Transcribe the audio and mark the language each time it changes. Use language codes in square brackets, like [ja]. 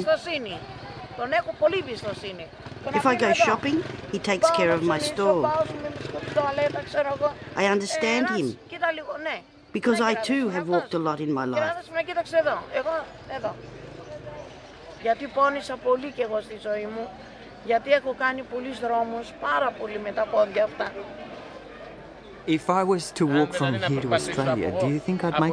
[en] If I go shopping, he takes care of my store. I understand him, because I too have walked a lot in my life. Because I too have walked a lot in my life. [el] Γιατί έχω κάνει πολλούς δρόμους, πάρα πολύ με τα πόδια αυτά. [en] If I was to walk from here to Australia, do you think I'd make it?